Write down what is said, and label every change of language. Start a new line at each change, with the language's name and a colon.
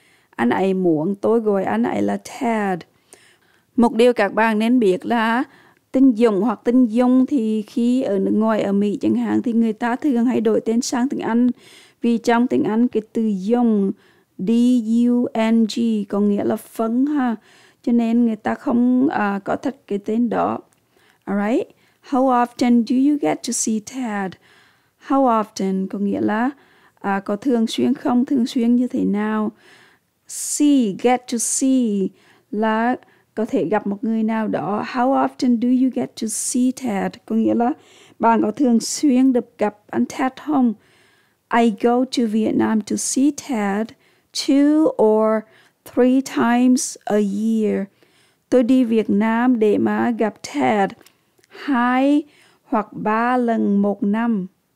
Vietnamese: Anh ấy muốn tôi gọi anh ấy là Ted. Một điều các bạn nên biết là tên Dũng hoặc tên Dung thì khi ở nước ngoài, ở Mỹ chẳng hạn, thì người ta thường hay đổi tên sang tiếng Anh. Vì trong tiếng Anh cái từ Dung, D-U-N-G, có nghĩa là phấn ha. Cho nên người ta không có thật cái tên đó.
English: Alright? How often do you get to see Ted? How often
Vietnamese: có nghĩa là có thường xuyên không, thường xuyên như thế nào? See,
English: get to see
Vietnamese: là có thể gặp một người nào đó.
English: How often do you get to see Ted?
Vietnamese: Có nghĩa là bạn có thường xuyên được gặp anh Ted không?
English: I go to Vietnam to see Ted 2 or 3 times a year.
Vietnamese: Tôi đi Việt Nam để mà gặp Ted 2 hoặc 3 lần một năm.